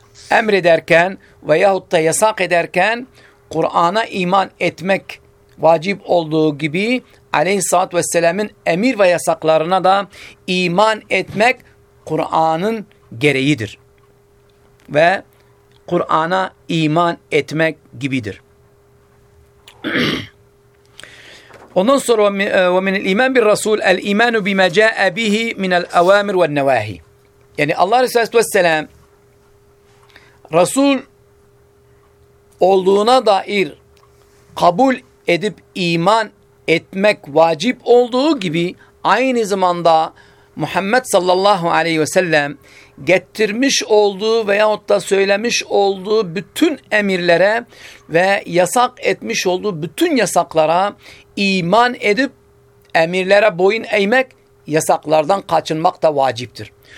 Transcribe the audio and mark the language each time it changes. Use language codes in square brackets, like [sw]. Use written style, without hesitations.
[tr] emrederken veyahut da yasak ederken Kur'an'a iman etmek vacip olduğu gibi Aleyhisselatü Vesselam'ın emir ve yasaklarına da iman etmek Kur'an'ın gereğidir. Ve Kur'an'a iman etmek gibidir. Ondan sonra [ar] وَمِنِ الْاِيمَانِ بِالرَّسُولِ الْاِيمَانُ بِمَا جَاءَ بِهِ مِنَ الْاَوَامِرِ وَالنَّوَاهِ. [tr] Yani Allah Resulü Aleyhisselam Resul olduğuna dair kabul edip iman etmek vacip olduğu gibi aynı zamanda Muhammed sallallahu aleyhi ve sellem getirmiş olduğu veyahut da söylemiş olduğu bütün emirlere ve yasak etmiş olduğu bütün yasaklara iman edip emirlere boyun eğmek, yasaklardan kaçınmak da vaciptir.